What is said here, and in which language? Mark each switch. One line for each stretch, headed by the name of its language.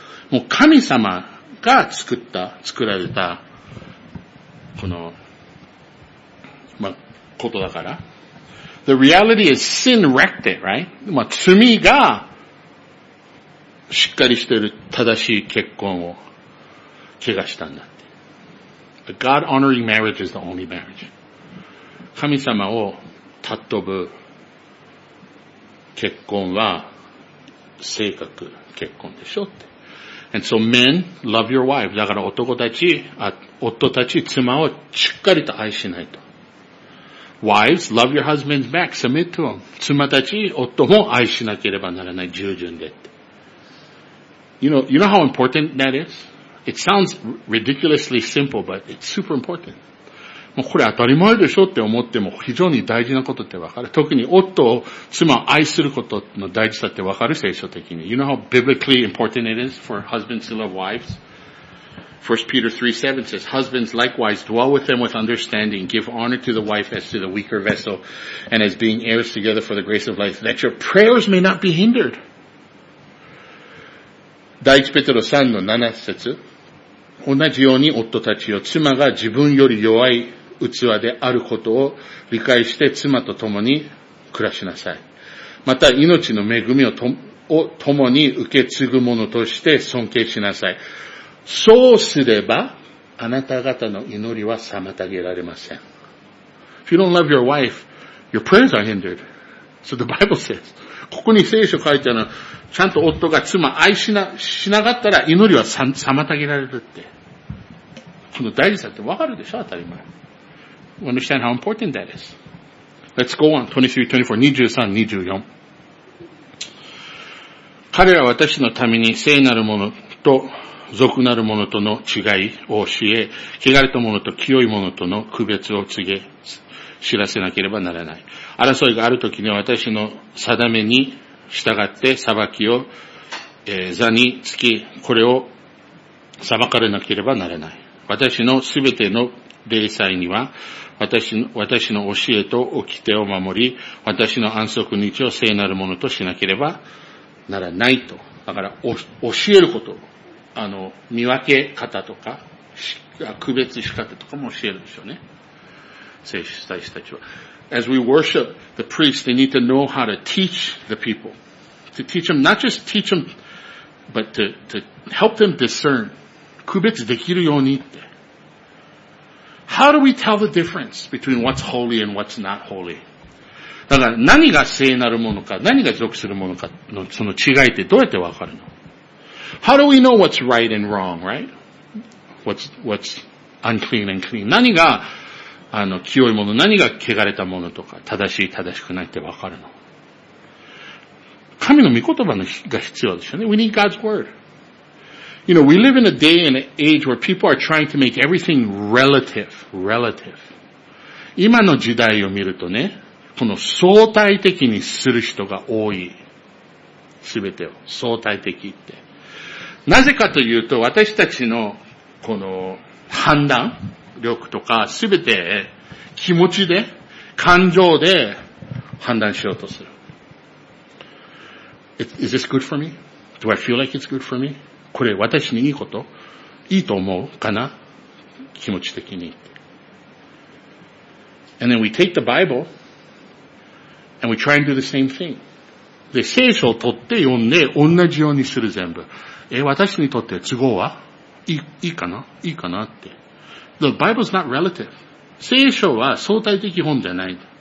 Japanese: もう神様が作られた、この、まあ、ことだから。
English: The reality is sin wrecked it, right?
Japanese: まあ、罪が、しっかりしてる正しい結婚を、怪我したんだって。
English: A God-honoring marriage is the only marriage.
Japanese: 神様を尊ぶ結婚は正確結婚でしょって。
English: And so men, love your wife.
Japanese: だから男たち、夫たち、妻をしっかりと愛しないと。
English: Wives, love your husband back. Submit to him.
Japanese: 妻たち、夫も愛しなければならない。従順でって。
English: You know how important that is? It sounds ridiculously simple, but it's super important.
Japanese: もうこれ当たり前でしょって思っても非常に大事なことってわかる。特に夫を妻を愛することの大事さってわかる、聖書的に。
English: You know how biblically important it is for husbands to love wives? 1 Peter 3:7 says, Husbands likewise dwell with them with understanding. Give honor to the wife as to the weaker vessel and as being heirs together for the grace of life, that your prayers may not be hindered.
Japanese: 第1ペテロ3の7節。同じように夫たちよ、妻が自分より弱い器であることを理解して妻と共に暮らしなさい。また命の恵みを共に受け継ぐ者として尊敬しなさい。そうすれば、あなた方の祈りは妨げられません。
English: If you don't love your wife, your prayers are hindered. So the Bible says,
Japanese: ここに聖書書いてあるのは、ちゃんと夫が妻愛しな、しなかったら祈りは妨げられるって。この大事さってわかるでしょ、当たり前。
English: You understand how important that is. Let's go on, 23-24, 23-24.
Japanese: 彼らは私のために聖なるものと俗なるものとの違いを教え、汚れたものと清いものとの区別を告げ、知らせなければならない。争いがあるときには私の定めに従って裁きを、座につき、これを裁かれなければならない。私のすべての礼祭には私の教えと掟を守り、私の安息日を聖なるものとしなければならないと。だから教えること、見分け方とか、区別し方とかも教えるでしょうね。聖書祭司たちは。
English: As we worship the priests, they need to know how to teach the people. To teach them, not just teach them, but to help them discern.
Japanese: 区別できるようにって。
English: How do we tell the difference between what's holy and what's not holy?
Japanese: だから何が聖なるものか、何が属するものかのその違いってどうやってわかるの?
English: How do we know what's right and wrong, right? What's unclean and clean?
Japanese: 何が清いもの、何が汚れたものとか、正しい、正しくないって分かるの。神の御言葉が必要ですよね。
English: We need God's word. You know, we live in a day and an age where people are trying to make everything relative.
Japanese: 今の時代を見るとね、この相対的にする人が多い。すべてを。相対的って。なぜかというと、私たちの、この、判断力とかすべて気持ちで感情で判断しようとする。
English: Is this good for me? Do I feel like it's good for me?
Japanese: これ私にいいこと?いいと思うかな?気持ち的に。
English: And then we take the Bible and we try and do the same thing.
Japanese: で、聖書を取って読んで同じようにする全部。私にとって都合は?いいかな?いいかなって。
English: The Bible is not relative.
Japanese: 聖書は相対的本じゃない。